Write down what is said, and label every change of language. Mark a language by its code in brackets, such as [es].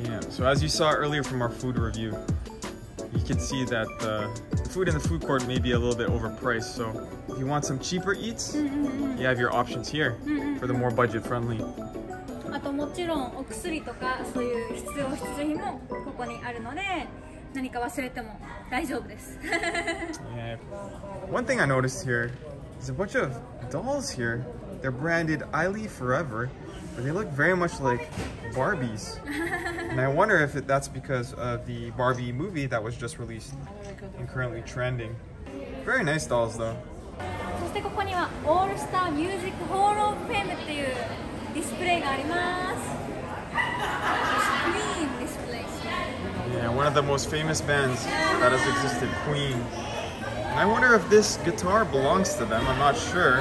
[en] So as you saw earlier from our food review, you can see that the food in the food court may be a little bit overpriced. So if you want some cheaper eats, you have your options here for the more budget friendly. [ja] あともちろんお薬とかそういう必需品もここにあるので、何か忘れても大丈夫です。 [en] Yeah. One thing I noticed here is a bunch of dolls here. They're branded Ily Forever, but they look very much like Barbies. And I wonder if that's because of the Barbie movie that was just released and currently trending. Very nice dolls though. [ja] そしてここにはオールスターミュージックホールオブフェイムっていうディスプレイがあります。 [en] Queen display. Yeah, one of the most famous bands that has existed, Queen. And I wonder if this guitar belongs to them, I'm not sure.